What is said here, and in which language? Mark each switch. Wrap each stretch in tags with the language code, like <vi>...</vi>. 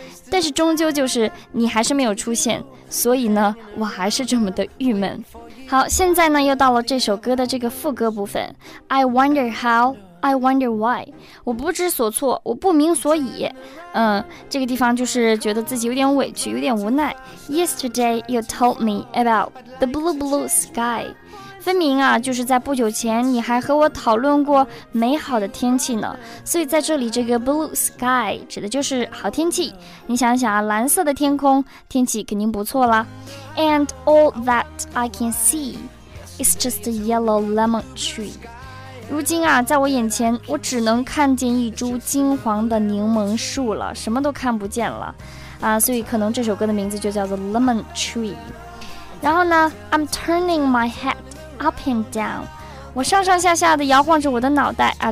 <zh>但是终究就是你还是没有出现，所以呢我还是这么的郁闷。好，现在呢又到了这首歌的这个副歌部分。</zh> <en>I wonder how, I wonder why.</en> <zh>我不知所措，我不明所以。这个地方就是觉得自己有点委屈，有点无奈。</zh> <en>Yesterday you told me about the blue blue sky.</en> <zh>分明啊，就是在不久前你还和我讨论过美好的天气呢。所以在这里这个 blue sky 指的就是好天气。你想想啊，蓝色的天空，天气肯定不错啦。</zh> <en>And all that I can see is just a yellow lemon tree.</en> <zh>如今啊，在我眼前我只能看见一株金黄的柠檬树了，什么都看不见了啊。所以可能这首歌的名字就叫做 lemon tree。然后呢，</zh> <en>I'm turning my headUp and down,</en> <zh>我上上下下的摇晃着我的脑袋啊。</zh>